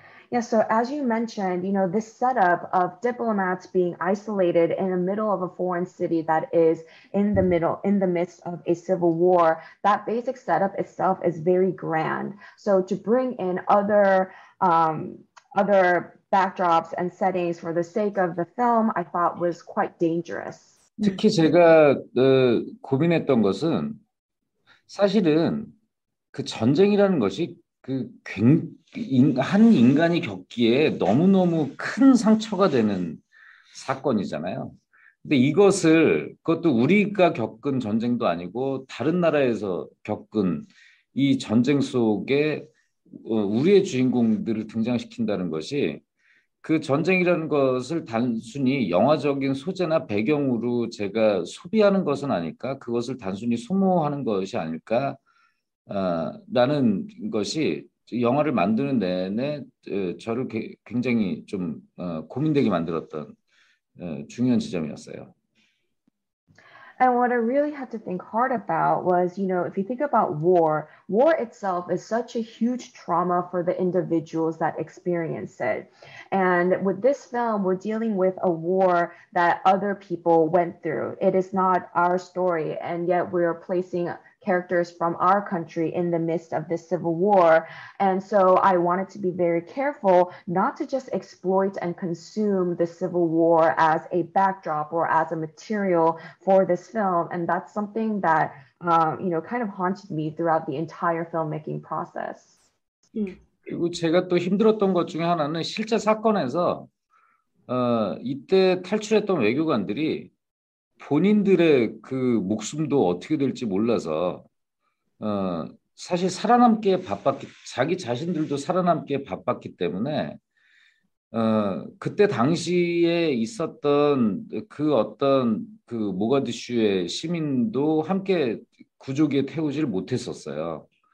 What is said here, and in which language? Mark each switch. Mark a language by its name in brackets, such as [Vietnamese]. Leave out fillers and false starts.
[English] Yeah, so as you mentioned, you know, this setup of diplomats being isolated in the middle of a foreign city that is in the midst of a civil war, that basic setup itself is very grand. So to bring in other backdrops and settings for the sake of the film, I thought was quite dangerous. [Korean] 특히 제가 고민했던 것은 사실은 그 전쟁이라는 것이 그한 인간이 겪기에 너무너무 큰 상처가 되는 사건이잖아요. 근데 이것을 그것도 우리가 겪은 전쟁도 아니고 다른 나라에서 겪은 이 전쟁 속에 우리의 주인공들을 등장시킨다는 것이 그 전쟁이라는 것을 단순히 영화적인 소재나 배경으로 제가 소비하는 것은 아닐까? 그것을 단순히 소모하는 것이 아닐까? 라는 것이 영화를 만드는 내내 저를 굉장히 좀 고민되게 만들었던 중요한 지점이었어요. [English] And what I really had to think hard about was, you know, if you think about war, war itself is such a huge trauma for the individuals that experience it. And with this film, we're dealing with a war that other people went through. It is not our story, and yet we're placing characters from our country in the midst of this civil war. And so I wanted to be very careful not to just exploit and consume the civil war as a backdrop or as a material for this film. And that's something that, you know, kind of haunted me throughout the entire filmmaking process. [Korean] 그리고 제가 또 힘들었던 것 중에 하나는 실제 사건에서 이때 탈출했던 외교관들이 본인들의 그 목숨도 어떻게 될지 몰라서 사실 살아남기에 바빴기 자기 자신들도 살아남기에 바빴기 때문에 그때 당시에 있었던 그 어떤 그 모가디슈의 시민도 함께 구조기에 태우지를 못했었어요.